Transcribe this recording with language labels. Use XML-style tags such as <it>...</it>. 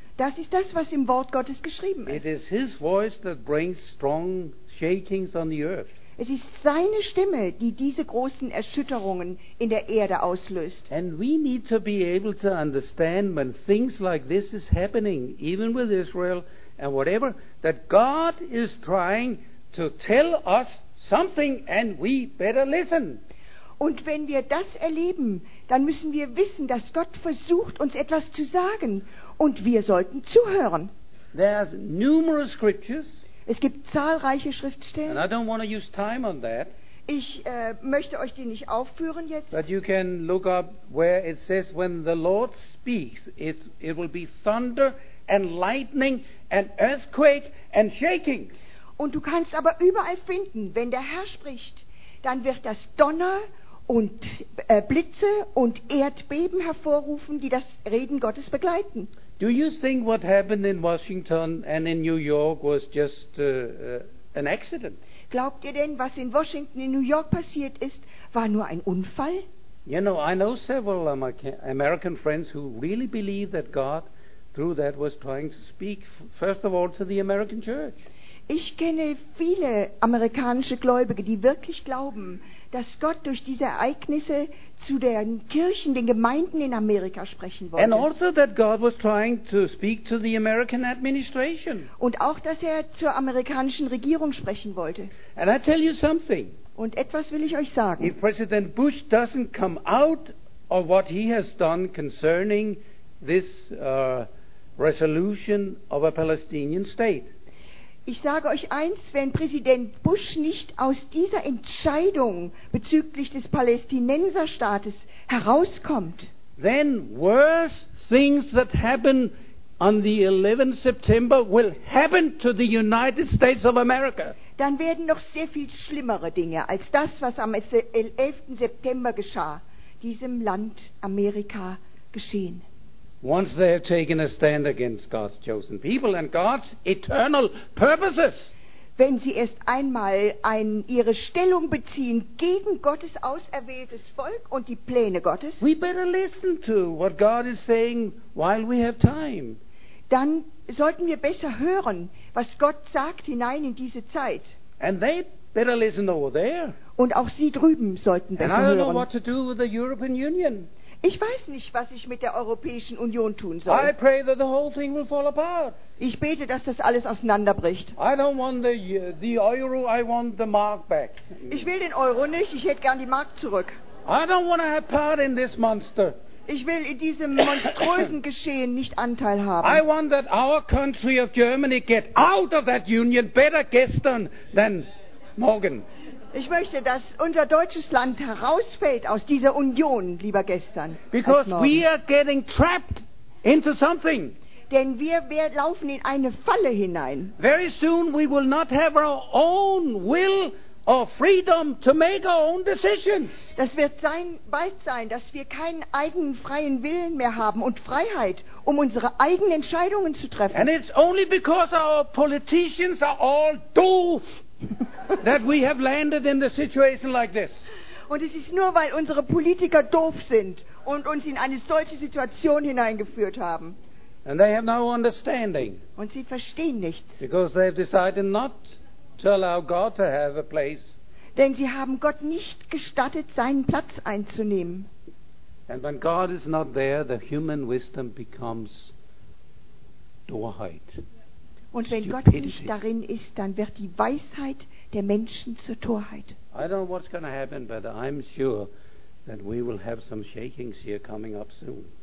<de>Das ist das, was im Wort Gottes geschrieben ist.</de> <en>It is his voice that brings strong shakings on the earth.</en> <de>Es ist seine Stimme, die diese großen Erschütterungen in der Erde auslöst.</de> <en>And we need to be able to understand when things like this is happening, even with Israel and whatever, that God is trying to tell us something and we better listen.</en> <de>Und wenn wir das erleben, dann müssen wir wissen, dass Gott versucht, uns etwas zu sagen und wir sollten zuhören.</de> <en>There are numerous scriptures.</en> <de>Es gibt zahlreiche Schriftstellen.</de> <en>And I don't want to use time on that.</en> <de>Ich möchte euch die nicht aufführen jetzt.</de> <en>But you can look up where it says when the Lord speaks, it will be thunder and lightning and earthquake and shakings.</en> <de>Und du kannst aber überall finden, wenn der Herr spricht, dann wird das Donner und Blitze und Erdbeben hervorrufen, die das Reden Gottes begleiten.</de> <en>Do you think what happened in Washington and in New York was just an accident?</en> <de>Glaubt ihr denn, was in Washington, in New York passiert ist, war nur ein Unfall?</de> <en>You know, I know several American friends who really believe that God, through that, was trying to speak, first of all, to the American church.</en> <de>Ich kenne viele amerikanische Gläubige, die wirklich glauben, dass Gott durch diese Ereignisse zu den Kirchen, den Gemeinden in Amerika sprechen wollte.</de> <en>And also that God was trying to speak to the American administration.</en> <de>Und auch, dass er zur amerikanischen Regierung sprechen wollte.</de> <en>And I tell you something.</en> <de>Und etwas will ich euch sagen.</de> <en>If President Bush doesn't come out of what he has done concerning this resolution of a Palestinian state.</en> <de>Ich sage euch eins, wenn Präsident Bush nicht aus dieser Entscheidung bezüglich des Palästinenserstaates herauskommt,</de> <en>then worse things that happen on the 11th September will happen to the United States of America.</en> <de>Dann werden noch sehr viel schlimmere Dinge als das, was am 11. September geschah, diesem Land Amerika geschehen.</de> <en>Once they have taken a stand against God's chosen people and God's eternal purposes.</en> <de>Wenn sie erst einmal ihre Stellung beziehen gegen Gottes auserwähltes Volk und die Pläne Gottes.</de> <en>We better listen to what God is saying while we have time.</en> <de>Dann sollten wir besser hören, was Gott sagt hinein in diese Zeit.</de> <en>And they better listen over there.</en> <de>Und auch sie drüben sollten besser hören.</de> <en>And I don't know what to do with the European Union.</en> <de>Ich weiß nicht, was ich mit der Europäischen Union tun soll.</de> <en>I pray that the whole thing will fall apart.</en> <de>Ich bete, dass das alles auseinanderbricht.</de> <en>I don't want the Euro, I want the mark back.</en> <de>Ich will den Euro nicht, ich hätte gern die Mark zurück.</de> <en>I don't want to have part in this monster.</en> <de>Ich will in diesem monströsen Geschehen nicht Anteil haben.</de> <en>I want that our country of Germany get out of that union better</en> <de>gestern</de> <en>than</en> <de>morgen. Ich möchte, dass unser deutsches Land herausfällt aus dieser Union, lieber gestern.</de> <en>Because we are getting trapped into something.</en> <de>denn wir laufen in eine Falle hinein.</de> <en>Very soon we will not have our own will or freedom to make our own decisions.</en> <de>Das wird bald sein, dass wir keinen eigenen freien Willen mehr haben und Freiheit, um unsere eigenen Entscheidungen zu treffen.</de> <en>And it's only because our politicians are all</en> <de>doof</de> <en>that we have landed in the situation like this.</en> <de>Und es ist nur, weil unsere Politiker doof sind und uns in eine solche Situation hineingeführt haben.</de> <en>And they have no understanding.</en> <de>Und sie verstehen nichts.</de> <en>Because they have decided not to allow God to have a place.</en> <de>Denn sie haben Gott nicht gestattet, seinen Platz einzunehmen.</de> <en>And when God is not there, the human wisdom becomes</en> <de>Torheit. Und wenn Gott nicht darin ist, dann wird die Weisheit der Menschen zur Torheit.</de> <en>I don't know what's going to happen, but I'm sure that we will have some shakings here coming up soon.</en>